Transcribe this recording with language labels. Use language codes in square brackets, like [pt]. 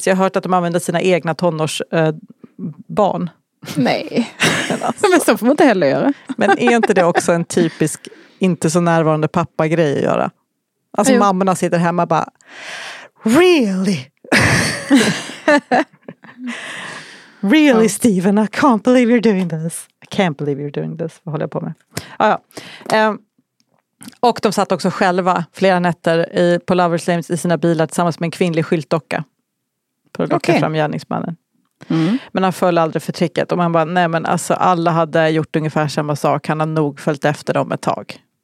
[sv] Så jag har hört att de använder sina egna tonårsbarn. Nej, men så får man inte heller göra. Men är inte det också en typisk, inte så närvarande pappa-grej att göra? Alltså mammorna sitter hemma och bara, really? [en] Really, Steven, I can't believe you're doing this. I can't believe you're doing this. [sv] Vad håller jag på med? Ah, ja. Och de satt också själva flera nätter på Lovers Lane i sina bilar tillsammans med en kvinnlig skyltdocka. För att locka fram gärningsmannen. Men han föll aldrig för tricket. Och man bara, nej men alltså, alla hade gjort ungefär samma sak. Han har nog följt efter dem ett tag.